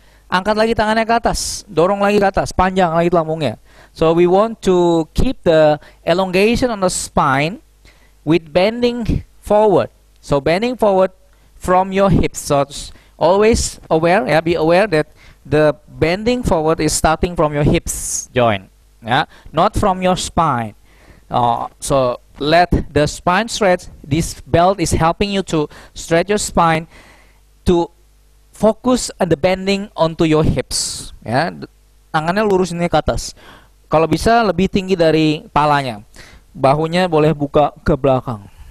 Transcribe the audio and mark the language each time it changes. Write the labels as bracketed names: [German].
[Indonesian] Angkat lagi tangannya ke atas, dorong lagi ke atas, panjang lagi lambungnya. [English] So we want to keep the elongation on the spine with bending forward. So bending forward from your hips. So always aware, yeah, be aware that the bending forward is starting from your hips joint, yeah, not from your spine. So let the spine stretch. This belt is helping you to stretch your spine to focus on the bending onto your hips. [Indonesian] Ya, tangannya lurusinnya ke atas. Kalau bisa lebih tinggi dari palanya. Bahunya boleh buka ke belakang.